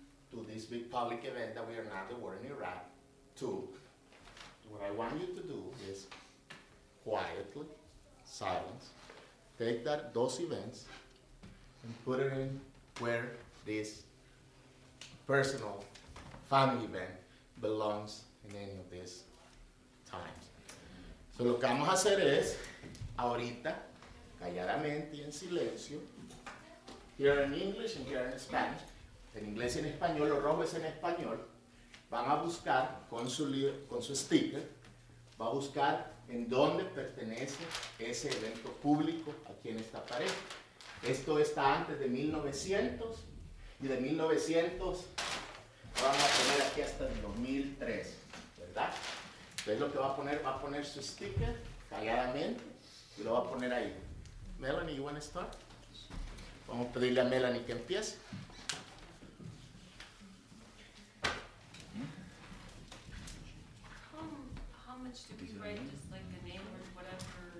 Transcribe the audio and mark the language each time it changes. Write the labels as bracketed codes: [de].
[en] to this big public event that we are now, the war in Iraq, to what I want you to do is quietly, silence, take that those events and put it in where this personal family event belongs in any of these times. [es] So lo que vamos a hacer es, ahorita, calladamente y en silencio, [en] here in English and here in Spanish, [es] en inglés y en español, lo rojo es en español, van a buscar con su sticker, va a buscar en dónde pertenece ese evento público aquí en esta pared. Esto está antes de 1900, y de 1900 vamos a poner aquí hasta el 2003, ¿verdad? Entonces lo que va a poner su sticker calladamente y lo va a poner ahí. [en] Melanie, you want to start? [es] Vamos a pedirle a Melanie que empiece. [en] How much do we write, just like the name or whatever?